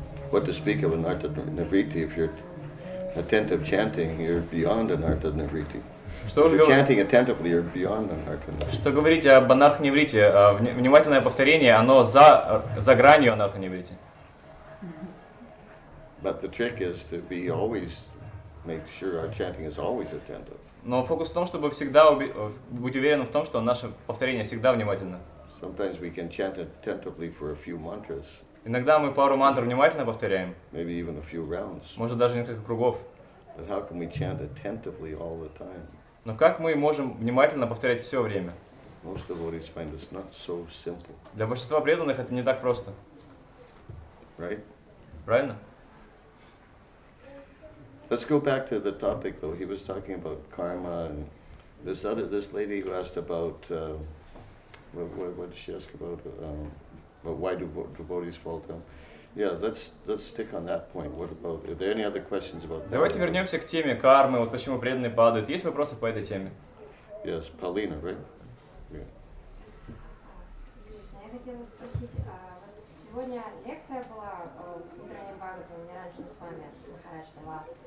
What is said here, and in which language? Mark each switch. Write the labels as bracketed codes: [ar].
[en] What to speak of anartha nivritti? If you're attentive chanting, you're beyond anartha nivritti. Chanting attentively, you're beyond anartha nivritti. [ru] Что говорить об анартха нивритти? Внимательное повторение, оно за гранью анартха нивритти. [en] But the trick is to be always make sure our chanting is always attentive. [ru] Но фокус в том, чтобы всегда быть уверенным в том, что наше повторение всегда внимательно. [en] Sometimes we can chant attentively for a few mantras. [ru] Иногда мы пару мантр внимательно повторяем. [en] Maybe even a few rounds. [ru] Может даже несколько кругов. [en] But how can we chant attentively all the time? [ru] Но как мы можем внимательно повторять все время? [en] Most devotees find this not so simple. [ru] Для большинства преданных это не так просто. [en] Right? [ru] Правильно? [en] Let's go back to the topic though. He was talking about karma and this lady who asked about what did she ask about? But why do devotees fall down? Yeah, let's stick on that point. What about, are there any other questions about that? [ru] Давайте вернемся к теме кармы, вот почему преданные падают. Есть вопросы по этой теме? [en] Yes, Paulina, right? [ru] Yeah. Я хотела спросить, а вот сегодня лекция была утренняя Бхагавата, у меня раньше с вами Махарадж дала.